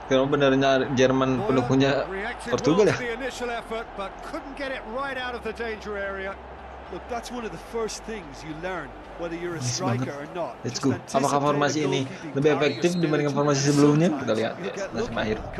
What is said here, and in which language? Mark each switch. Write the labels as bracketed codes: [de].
[id] Kalau benarnya Jerman pendukungnya Portugal ya. [en] The initial effort but couldn't get it right out of the danger area. Look, that's one of the first things you learn whether you're a nice striker [id] banget. [en] Or not. Let's go. [id] Apakah formasi ini lebih efektif dibandingkan formasi sebelumnya? Kita lihat ya, sampai akhir.